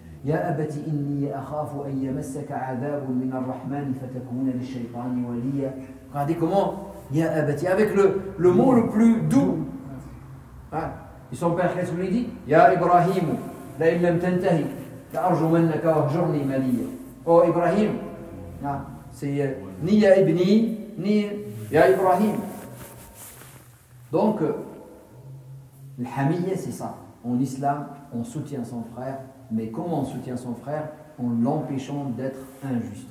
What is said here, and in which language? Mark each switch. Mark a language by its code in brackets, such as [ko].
[ar] يا أبتي إني أخاف أن يمسك عذاب من الرحمن فتكون للشيطان وليا. [fr] Regardez comment [ar] يا أبتي [fr] avec le mot le plus doux. Et son père qu'est-ce qu'il dit? [ar] يا إبراهيم لا إن لم تنتهي لأرجمنك واهجرني مليا. [fr] Oh Ibrahim, c'est ni [ar] يا ابني [fr] ni [ar] يا إبراهيم. [fr] Donc الحمية c'est ça. En islam on soutient son frère. Mais comment on soutient son frère? En l'empêchant d'être injuste.